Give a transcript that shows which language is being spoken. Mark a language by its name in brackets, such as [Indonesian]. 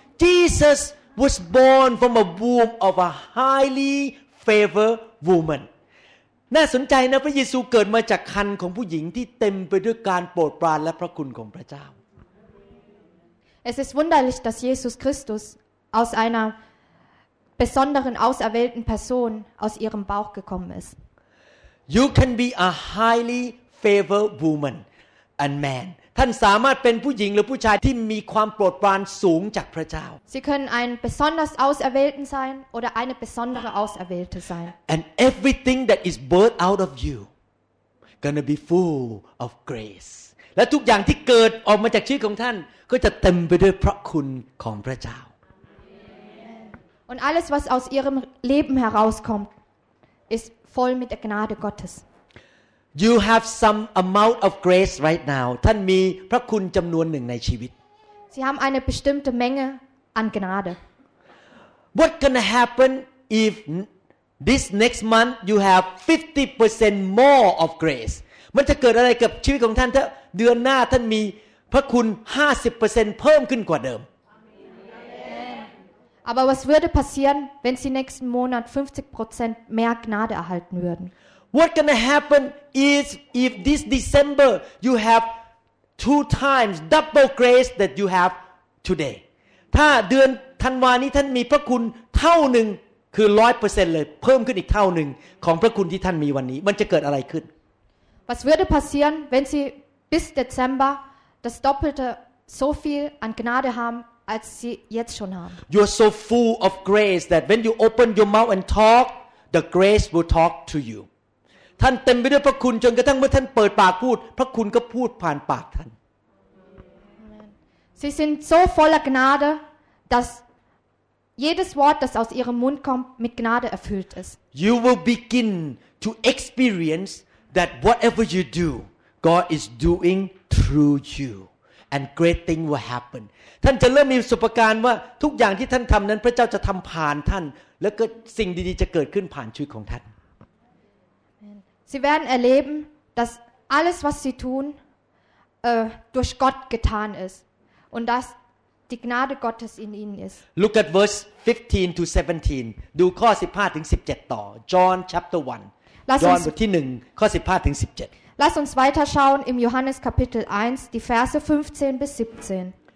[English] Jesus was born from a womb of a highly favored woman. [Thai] น่าสนใจนะพระเยซูเกิดมาจากครรภ์ของผู้หญิงที่เต็มไปด้วยการโปรดปรานและพระคุณของพระเจ้า [German] Es ist wunderlich, dass Jesus Christus. Aus einer besonderen auserwählten Person aus ihrem Bauch gekommen ist. [English] You can be a highly favored woman and man. [Thai] ท่านสามารถเป็นผู้หญิงหรือผู้ชายที่มีความโปรดปรานสูงจากพระเจ้า [German] Sie können ein besonders auserwählten sein oder eine besondere auserwählte sein. [English] And everything that is birthed out of you gonna be full of grace. [Thai] และทุกอย่างที่เกิดออกมาจากชีวิตของท่านก็จะเต็มไปด้วยพระคุณของพระเจ้า [German] Und alles, was aus ihrem Leben herauskommt, ist voll mit der Gnade Gottes. [English] You have some amount of grace right now. [Thai] ท่านมีพระคุณจำนวนหนึ่งในชีวิต [German] Sie haben eine bestimmte Menge an Gnade. [English] What gonna happen if this next month you have 50% more of grace? [Thai] มันจะเกิดอะไรกับชีวิตของท่านถ้าเดือนหน้าท่านมีพระคุณ 50% เพิ่มขึ้นกว่าเดิม [German] Aber was würde passieren, wenn Sie nächsten Monat 50% mehr Gnade erhalten würden? [English] What gonna happen is if this December you have two times double grace that you have today. [Thai] ถ้าเดือนธันวาคมนี้ท่านมีพระคุณเท่าหนึ่งคือ 100% เลยเพิ่มขึ้นอีกเท่าหนึ่งของพระคุณที่ท่านมีวันนี้มันจะเกิดอะไรขึ้น [German] Was würde passieren, wenn Sie bis Dezember das Doppelte so viel an Gnade haben? As sie jetzt schon haben. [English] You are so full of grace that when you open your mouth and talk, the grace will talk to you. [Thai] ท่านเต็มไปด้วยพระคุณจนกระทั่งเมื่อท่านเปิดปากพูดพระคุณก็พูดผ่านปากท่าน [German] Sie sind so voller Gnade, dass jedes Wort, das aus ihrem Mund kommt, mit Gnade erfüllt ist. [English] You will begin to experience that whatever you do, God is doing through you. And great thing will happen. [Thai] ท่านจะเริ่มมีประสบการณ์ว่าทุกอย่างที่ท่านทำนั้นพระเจ้าจะทำผ่านท่านแล้วก็สิ่งดีๆจะเกิดขึ้นผ่านชีวิตของท่าน [German] Sie werden erleben, dass alles, was Sie tun, durch Gott getan ist und dass die Gnade Gottes in Ihnen ist. [English] Look at verse 15 to 17. [Thai] ดูข้อ15ถึง17ต่อ [English] John chapter 1. [Thai] John บทที่1ข้อ15ถึง17 [German] Lass uns weiterschauen im Johannes Kapitel 1, die Verse 15 bis 17.